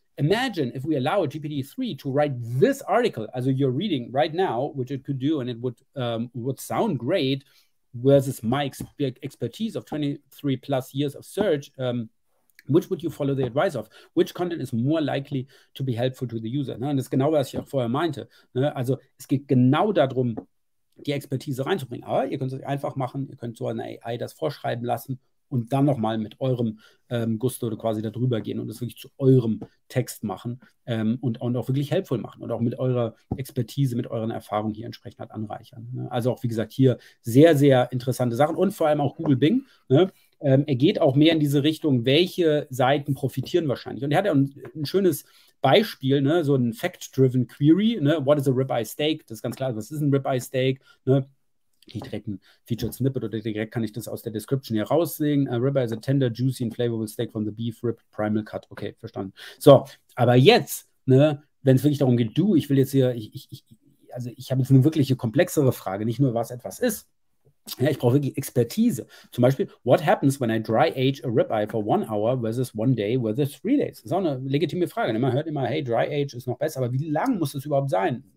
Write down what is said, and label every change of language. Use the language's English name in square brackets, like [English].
[English] Imagine if we allow a GPT-3 to write this article, also you're reading right now, which it could do, and it would sound great, versus my expertise of 23 plus years of search, which would you follow the advice of? Which content is more likely to be helpful to the user? [German] Ne? Und das ist genau, was ich auch vorher meinte. Ne? Also es geht genau darum, die Expertise reinzubringen. Aber ihr könnt es einfach machen, ihr könnt so eine AI das vorschreiben lassen. und dann nochmal mit eurem Gusto quasi darüber gehen und es wirklich zu eurem Text machen und auch wirklich helpful machen und auch mit eurer Expertise, mit euren Erfahrungen hier entsprechend halt anreichern. Ne? Also auch, wie gesagt, hier sehr, sehr interessante Sachen und vor allem auch Google Bing. Ne? Er geht auch mehr in diese Richtung, welche Seiten profitieren wahrscheinlich. Und er hat ja ein schönes Beispiel, ne? So ein Fact-Driven Query. Ne? [English] What is a Ribeye Steak? [German] Das ist ganz klar, was ist ein Ribeye Steak? Ne? Direkt ein Featured Snippet oder direkt kann ich das aus der Description hier raussehen. [English] Ribeye is a tender, juicy and flavorful steak from the beef rib, primal cut. [German] Okay, verstanden. So, aber jetzt, ne, wenn es wirklich darum geht, du, ich will jetzt hier, also ich habe jetzt eine wirkliche komplexere Frage, nicht nur, was etwas ist. Ja, ich brauche wirklich Expertise. Zum Beispiel, [English] what happens when I dry age a ribeye for 1 hour versus 1 day versus 3 days? [German] Das ist auch eine legitime Frage. Man hört immer, hey, dry age ist noch besser, aber wie lang muss das überhaupt sein?